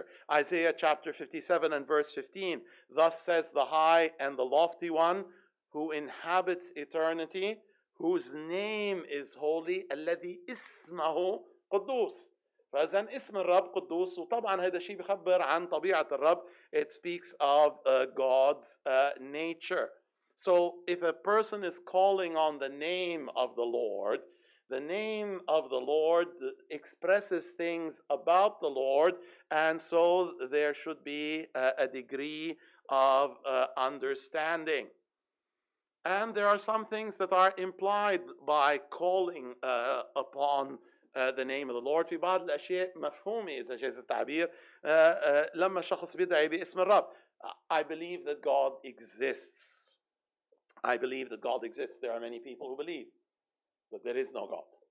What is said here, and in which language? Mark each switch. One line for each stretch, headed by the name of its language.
English: Isaiah chapter 57 and verse 15. Thus says the High and the Lofty One, who inhabits eternity, whose name is holy,
Arabic: الذي اسمه قدوس. فإذا اسم الرب قدوس وطبعا هذا الشيء بيخبر عن طبيعة الرب.
English: It speaks of God's nature. So if a person is calling on the name of the Lord, the name of the Lord expresses things about the Lord, and so there should be a degree of understanding. And there are some things that are implied by calling upon the name of the Lord.
Arabic: في بعض الأشياء مفهومة إذا جاز التعبير لما شخص بيدعي باسم الرب.
English: I believe that God exists. I believe that God exists. There are many people who believe that there is no God.